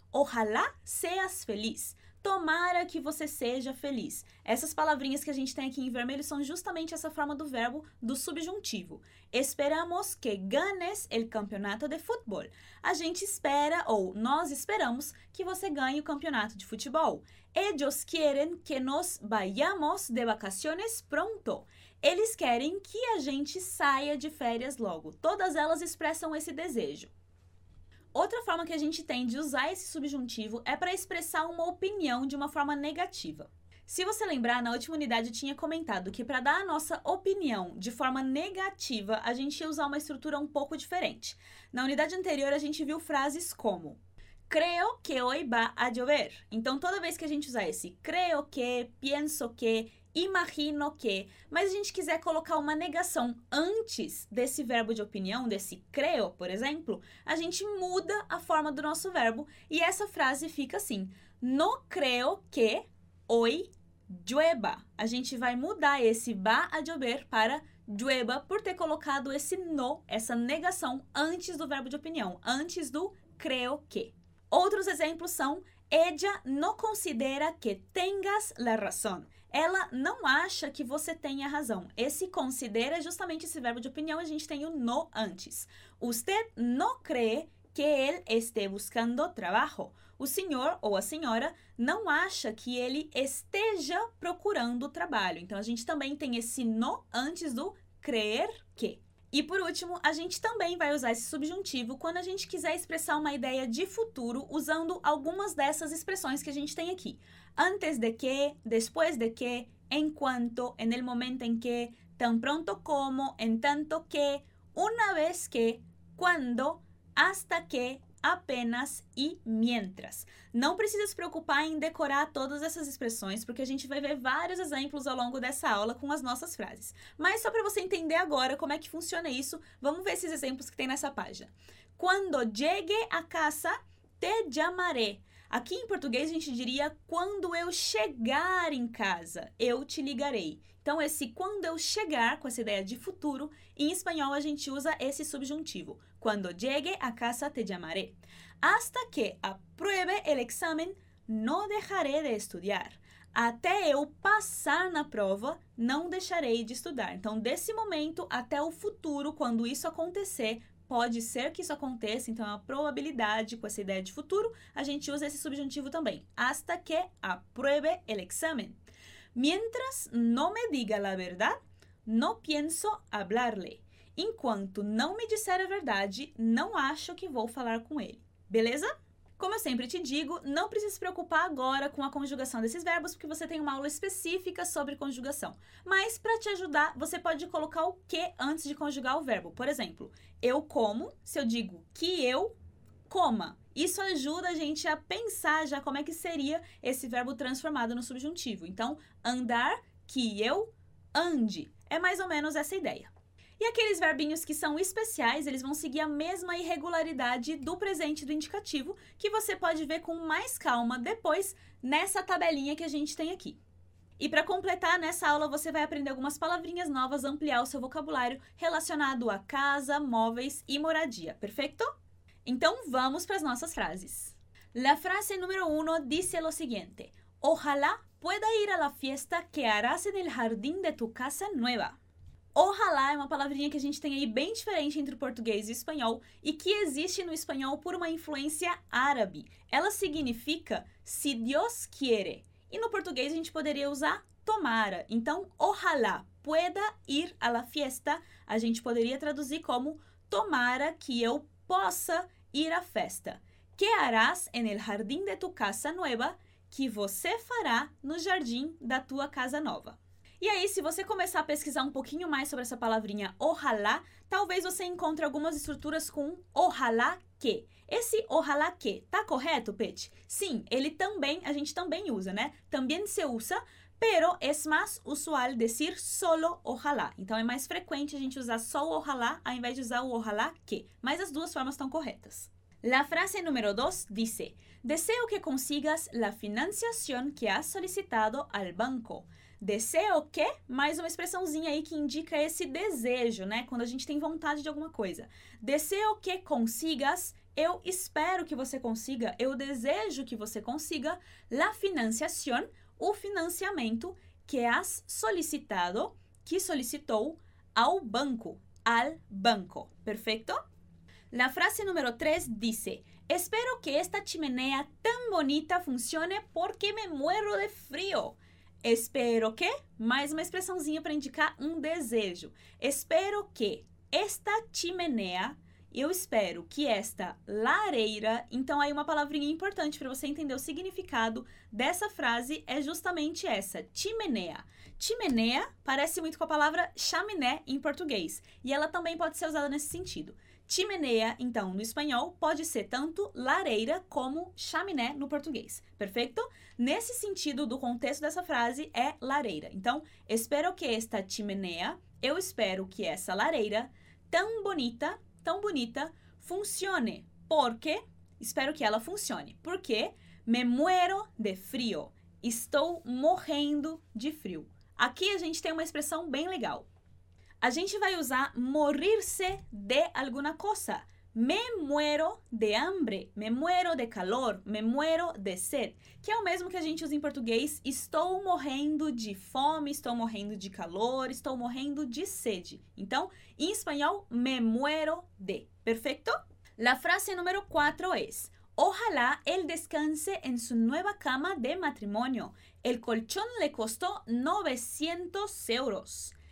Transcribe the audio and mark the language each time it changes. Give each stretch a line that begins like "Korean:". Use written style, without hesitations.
Spanish: Ojalá seas feliz.
Portuguese: Tomara que você seja feliz. Essas palavrinhas que a gente tem aqui em vermelho são justamente essa forma do verbo do subjuntivo.
Spanish: Esperamos que ganes el campeonato de futebol.
Portuguese: A gente espera, ou nós esperamos, que você ganhe o campeonato de futebol.
Spanish: Ellos quieren que nos vayamos de vacaciones pronto.
Portuguese: Eles querem que a gente saia de férias logo. Todas elas expressam esse desejo. Outra forma que a gente tem de usar esse subjuntivo é para expressar uma opinião de uma forma negativa. Se você lembrar, na última unidade eu tinha comentado que para dar a nossa opinião de forma negativa, a gente ia usar uma estrutura um pouco diferente. Na unidade anterior, a gente viu frases como
Spanish: creo que hoy va a llover.
Portuguese: Então, toda vez que a gente usar esse creo que, pienso que, imagino que, mas a gente quiser colocar uma negação antes desse verbo de opinião, desse creo, por exemplo, a gente muda a forma do nosso verbo e essa frase fica assim:
Spanish: no creo que hoy llueva.
Portuguese: A gente vai mudar esse
Spanish: va a llover
Portuguese: para llueva por ter colocado esse no, essa negação, antes do verbo de opinião, antes do creo que. Outros exemplos são:
Spanish: ella no considera que tengas la razón.
Portuguese: Ela não acha que você tenha razão. Esse considera é justamente esse verbo de opinião, a gente tem o no antes.
Spanish: Usted no cree que él esté buscando trabajo.
Portuguese: O senhor ou a senhora não acha que ele esteja procurando trabalho. Então, a gente também tem esse no antes do creer que. E por último, a gente também vai usar esse subjuntivo quando a gente quiser expressar uma ideia de futuro usando algumas dessas expressões que a gente tem aqui.
Spanish: Antes de que,
Portuguese: depois de que, enquanto,
Spanish: en el momento en que, tan pronto como, en tanto que, una vez que, cuando, hasta que, apenas e mientras.
Portuguese: Não precisa se preocupar em decorar todas essas expressões, porque a gente vai ver vários exemplos ao longo dessa aula com as nossas frases. Mas só para você entender agora como é que funciona isso, vamos ver esses exemplos que tem nessa página.
Spanish: Quando llegue a casa, te llamaré.
Portuguese: Aqui em português, a gente diria, quando eu chegar em casa, eu te ligarei. Então, esse quando eu chegar, com essa ideia de futuro, em espanhol, a gente usa esse subjuntivo.
Spanish: Cuando llegue a casa, te llamaré. Hasta que apruebe el examen, no dejaré de estudiar.
Portuguese: Até eu passar na prova, não deixarei de estudar. Então, desse momento até o futuro, quando isso acontecer, pode ser que isso aconteça, então é uma probabilidade com essa ideia de futuro, a gente usa esse subjuntivo também.
Spanish: Hasta que apruebe el examen. Mientras no me diga la verdad, no pienso hablarle.
Portuguese: Enquanto não me disser a verdade, não acho que vou falar com ele. Beleza? Como eu sempre te digo, não precisa se preocupar agora com a conjugação desses verbos, porque você tem uma aula específica sobre conjugação. Mas, para te ajudar, você pode colocar o que antes de conjugar o verbo. Por exemplo, eu como, se eu digo que eu coma. Isso ajuda a gente a pensar já como é que seria esse verbo transformado no subjuntivo. Então, andar, que eu ande. É mais ou menos essa ideia. E aqueles verbinhos que são especiais, eles vão seguir a mesma irregularidade do presente do indicativo, que você pode ver com mais calma depois nessa tabelinha que a gente tem aqui. E para completar, nessa aula você vai aprender algumas palavrinhas novas, ampliar o seu vocabulário relacionado a casa, móveis e moradia, perfeito? Então vamos para as nossas frases.
Spanish: La frase número 1 dice lo siguiente: ojalá pueda ir a la fiesta que harás en el jardín de tu casa nueva.
Portuguese: Ojalá é uma palavrinha que a gente tem aí bem diferente entre o português e o espanhol e que existe no espanhol por uma influência árabe. Ela significa se Deus quiere. E no português a gente poderia usar tomara. Então,
Spanish: ojalá pueda ir a la fiesta,
Portuguese: a gente poderia traduzir como tomara que eu possa ir à festa.
Spanish: ¿Qué harás en el jardín de tu casa nueva?
Portuguese: Que você fará no jardim da tua casa nova. E aí, se você começar a pesquisar um pouquinho mais sobre essa palavrinha ojalá, talvez você encontre algumas estruturas com ojalá que. Esse ojalá que, tá correto, Pet? Sim, ele também, a gente também usa, né? Também se usa,
Spanish: pero es más usual decir solo ojalá.
Portuguese: Então é mais frequente a gente usar só o ojalá ao invés de usar o ojalá que. Mas as duas formas estão corretas.
Spanish: La frase número 2 dice: deseo que consigas la financiación que has solicitado al banco.
Portuguese: Deseo que, mais uma expressãozinha aí que indica esse desejo, né? Quando a gente tem vontade de alguma coisa.
Spanish: Deseo que consigas,
Portuguese: eu espero que você consiga, eu desejo que você consiga
Spanish: la financiación,
Portuguese: o financiamento
Spanish: que has solicitado,
Portuguese: que solicitou ao banco.
Spanish: Al banco.
Portuguese: Perfeito?
Spanish: La frase número 3 dice: espero que esta chimenea tan bonita funcione porque me muero de frío.
Portuguese: Espero que, mais uma expressãozinha para indicar um desejo.
Spanish: Espero que esta chimenea,
Portuguese: eu espero que esta lareira. Então, aí uma palavrinha importante para você entender o significado dessa frase é justamente essa, chimenea. Chimenea parece muito com a palavra chaminé em português e ela também pode ser usada nesse sentido. Chimenea, então, no espanhol, pode ser tanto lareira como chaminé no português. Perfeito? Nesse sentido do contexto dessa frase é lareira. Então,
Spanish: espero que esta chimenea,
Portuguese: eu espero que essa lareira, tão bonita, funcione. Porque, espero que ela funcione. Porque,
Spanish: me muero de frio.
Portuguese: Estou morrendo de frio. Aqui a gente tem uma expressão bem legal. A gente vai usar morir-se de alguma coisa.
Spanish: Me muero de hambre, me muero de calor, me muero de sed.
Portuguese: Que é o mesmo que a gente usa em português. Estou morrendo de fome, estou morrendo de calor, estou morrendo de sede. Então, em espanhol, me muero de. Perfeito?
Spanish: La frase número 4 é: ojalá él descanse en su nueva cama de matrimonio. El colchón le costó 900 euros.